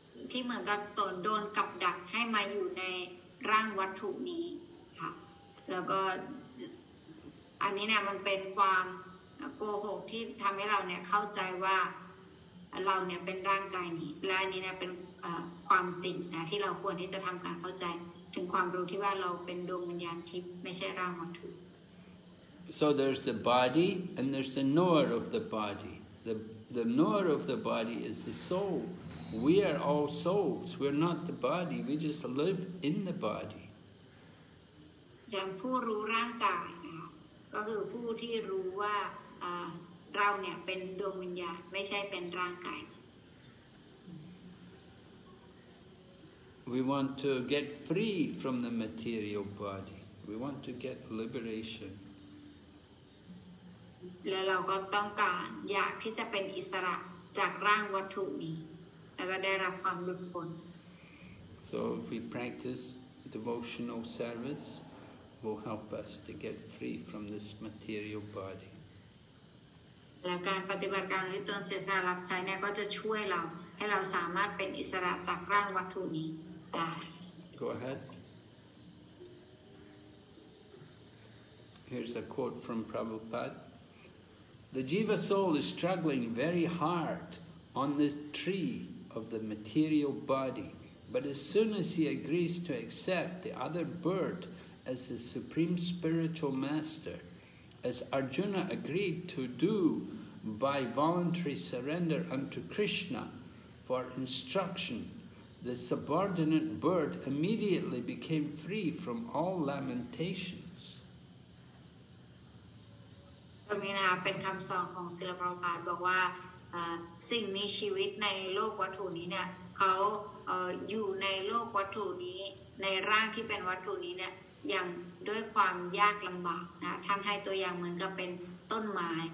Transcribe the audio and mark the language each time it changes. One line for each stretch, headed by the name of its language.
Thai: ที่เหมือนกับตนโดนกับดักให้มาอยู่ในร่างวัตถุนี้ค่ะแล้วก็อันนี้เนี่ยมันเป็นความโกหกที่ทำให้เราเนี่ยเข้าใจว่าเราเนี่ยเป็นร่างกายนี้และอันนี้เนี่ยเป็นความจริงนะที่เราควรที่จะทำการเข้าใจถึงความรู้ที่ว่าเราเป็นดวงวิญญาณทิพย์ไม่ใช่ร่างวัตถุ
English: so there's the body and there's the knower of the bodyThe knower of the body is the soul. We are all souls. We're not the body. We just live in the body.
Thai: อย่างผู้รู้ร่างกายนะก็คือผู้ที่รู้ว่าเราเนี่ยเป็นดวงวิญญาณไม่ใช่เป็นร่างกาย
English: We want to get free from the material body. We want to get liberation.
Thai: แล้วเราก็ต้องการอยากที่จะเป็นอิสระจากร่างวัตถุนี้แล้วก็ได้รับความรู้สึกผล
English: So if we practice devotional service will help us to get free from this material body
Thai: และการปฏิบัติการหรือตนเสียสละรับใช้เนี่ยก็จะช่วยเราให้เราสามารถเป็นอิสระจากร่างวัตถุนี้ได้
English: Go aheadhere's a quote from Prabhupada The jiva soul is struggling very hard on the tree of the material body, but as soon as he agrees to accept the other bird as the supreme spiritual master, as Arjuna agreed to do by voluntary surrender unto Krishna for instruction, the subordinate bird immediately became free from all lamentation.
Thai: ตรงนี้นะเป็นคำสอนของศิลปรภาบอกว่าสิ่งมีชีวิตในโลกวัตถุนี้เนี่ยเขา อยู่ในโลกวัตถุนี้ในร่างที่เป็นวัตถุนี้เนี่ยอย่างด้วยความยากลำบากนะท่านให้ตัวอย่างเหมือนกับเป็นต้นไม้